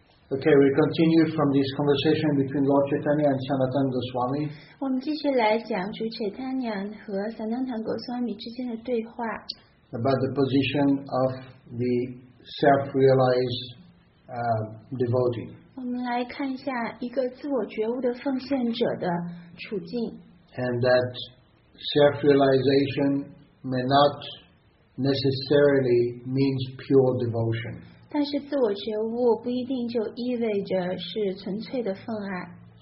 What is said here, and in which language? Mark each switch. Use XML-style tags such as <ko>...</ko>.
<en>Okay, we continue from this conversation between Lord Chaitanya and Sanatana Goswami.</en> <zh>我们继续来讲主 Chaitanya 和 Sanatana Goswami 之间的对话。</zh> <en>About the position of the self-realized devotee.</en> <zh>我们来看一下一个自我觉悟的奉献者的处境。</zh> <en>And that self-realization may not necessarily mean pure devotion.</en> <zh>但是自我觉悟不一定就意味着是纯粹的奉爱。</zh>